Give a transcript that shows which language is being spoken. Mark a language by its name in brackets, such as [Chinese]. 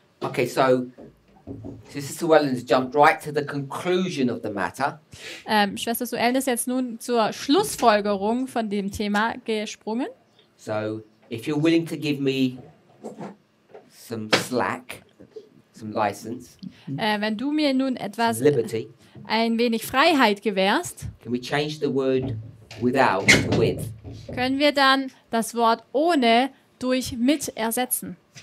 [English] Okay, so Sister Welland jumped right to the conclusion of the matter. [German] Schwester Suellen ist jetzt nun zur Schlussfolgerung von dem Thema gesprungen. [English] So, if you're willing to give me some slack, some license. [German] Wenn du mir nun etwas [English] some liberty. [German] Ein wenig Freiheit gewährst. [English] Can we change the word without to with? [German] Können wir dann das Wort ohne durch mit ersetzen?